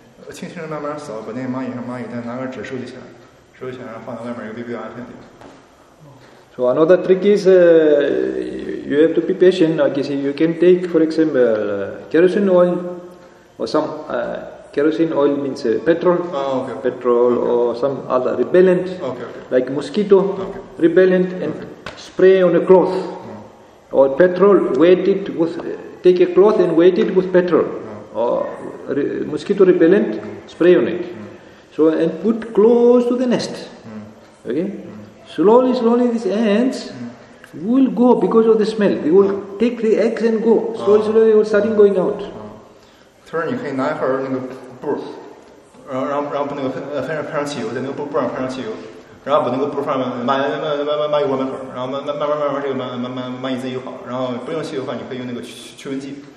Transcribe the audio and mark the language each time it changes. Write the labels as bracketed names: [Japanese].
[Chinese] 轻轻地慢慢扫，把那个蚂蚁上蚂蚁蛋拿个纸收集起来，收集起来，然后放到外面一个比较安全的地方。 [English] So another trick is, you have to be patient. Okay, you can take, for example, kerosene oil, or some kerosene oil means petrol. Oh, okay. Petrol okay. or some other repellent. Okay, okay. Like mosquito okay. repellent and okay. spray on a cloth. Mm. Or petrol, wet it with take a cloth and wet it with petrol. Or mosquito repellent, spray on it. So and put close to the nest. Okay, slowly these ants will go because of the smell. They will take the eggs and go slowly. They will start going out. Turn, you can [Chinese] 拿一块那个布，然后把那个喷上汽油，在那个布上喷上汽油，然后把那个布放蚂蚁窝门口，然后慢慢这个蚂蚁自己跑。然后不用汽油的话，你可以用那个驱蚊剂。